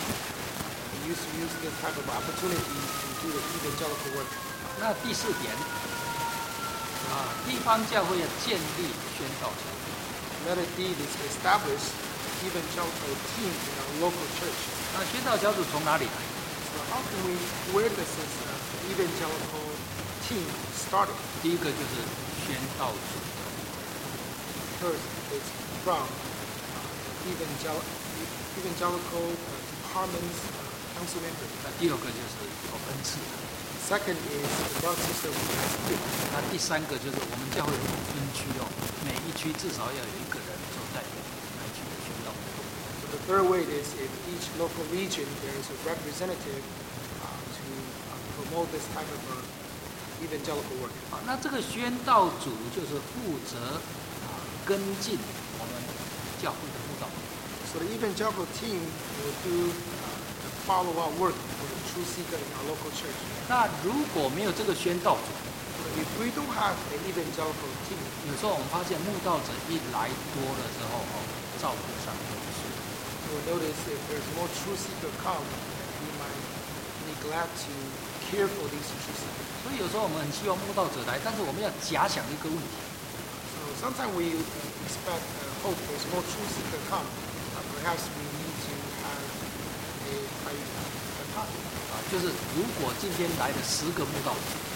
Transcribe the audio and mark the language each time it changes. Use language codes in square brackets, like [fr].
[en] They used to use this type of opportunity to do the evangelical work. [zh] 那第四点，地方教会要建立宣道墙。 [en] Letter D is establish evangelical team in our local church. [zh] 那宣道小组从哪里来？ [en] So how can we, where does this evangelical team start? [zh] 第一个就是宣道组。 [en] First, it's from evangelical department's council members. [zh] 那第二个就是有恩赐。 [en] Second is the Baptist Institute. [zh] 那第三个就是我们教会分区哦。每一区至少要有一个人做代表来去宣道。 [en] So the third way is if each local region there is a representative to promote this type of evangelical work. [zh] 那这个宣道组就是负责跟进我们教会的布道。 [en] So the evangelical team will do the follow-up work for the true seeker in our local church. [zh] 那如果没有这个宣道组， [en] If we don't have an evangelical team, [zh] 有时候我们发现慕道者一来多了之后，照顾上就是。 [en] We notice if there's more true seeker come, we might neglect to care for these true seekers. [zh] 所以有时候我们很希望慕道者来，但是我们要假想一个问题。 [en] So sometimes we expect and hope there's more true seeker come, but perhaps we need to have a topic. [zh] 就是如果今天来了10个慕道者。